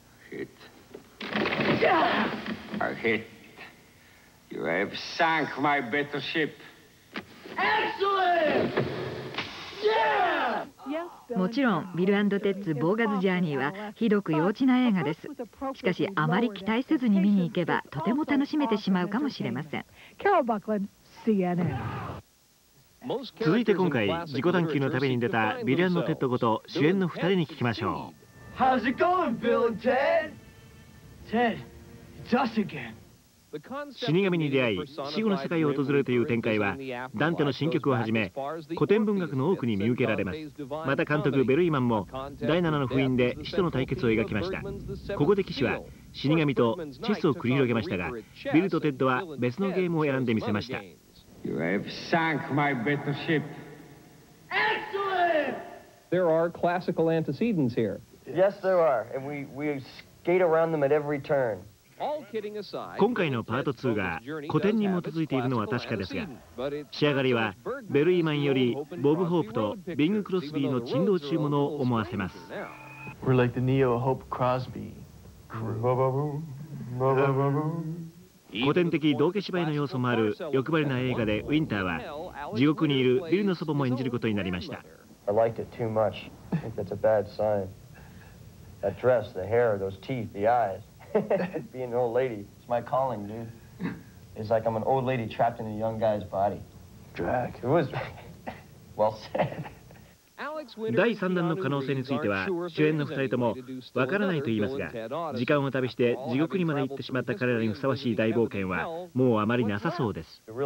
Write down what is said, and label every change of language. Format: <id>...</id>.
<en>Hit I hit You have sunk my battleship</en> <ja>もちろんビル&テッツ・ボーガズ・ジャーニーはひどく幼稚な映画です。しかしあまり期待せずに見に行けばとても楽しめてしまうかもしれません。キャロル・バックランド、CNN。続いて今回自己探求の旅に出たビル&テッドこと主演の2人に聞きましょう。</ja> <en>How's it going, Bill and Ted? Ted, it's us again.</en> <ja>死神に出会い死後の世界を訪れるという展開は、ダンテの新曲をはじめ古典文学の多くに見受けられます。また監督ベルイマンも第7の封印で死との対決を描きました。ここで騎士は死神とチェスを繰り広げましたが、ビルとテッドは別のゲームを選んでみせました。</ja> <en>You have sunk my battleship. Excellent! There are classical antecedents here. Yes, there are. And we skate around them at every turn.</en> <ja>今回のパート2が古典に基づいているのは確かですが、仕上がりはベルイマンよりボブ・ホープとビング・クロスビーの珍道中ものを思わせます。古典的道化芝居の要素もある欲張りな映画で、ウィンターは地獄にいるビルの祖母も演じることになりました。</ja> <en>I liked it too much. I think that's a bad sign. That dress, the hair, those teeth, the eyes. Being an old lady, it's my calling, dude. It's like I'm an old lady trapped in a young guy's body. Drag. It was well said.</en> <ja>第3弾の可能性については主演の2人ともわからないと言いますが、時間を旅して地獄にまで行ってしまった彼らにふさわしい大冒険はもうあまりなさそうです。</ja>